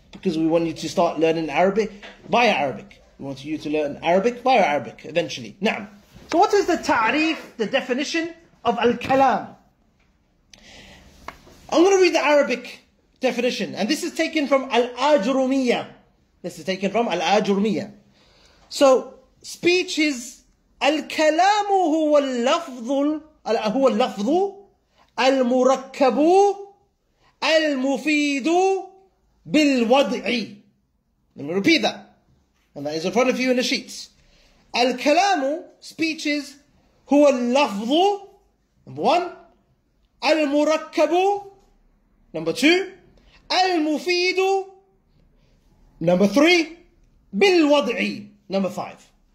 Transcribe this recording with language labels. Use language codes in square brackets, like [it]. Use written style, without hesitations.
[en] Because we want you to start learning Arabic via Arabic. We want you to learn Arabic via Arabic eventually. Na'am. So what is the ta'rif, the definition of al-kalam? I'm going to read the Arabic definition. And this is taken from al-ajrumiyya. This is taken from al-ajrumiyya. So, speech is [ar] الكلام هو اللفظ هو اللفظ المركب المفيد بالوضع. [en] Let me repeat that. And that is in front of you in the sheets. الكلام, speech is هو اللفظ, number one, المركب, number two, المفيد, number three, بالوضع. Number five.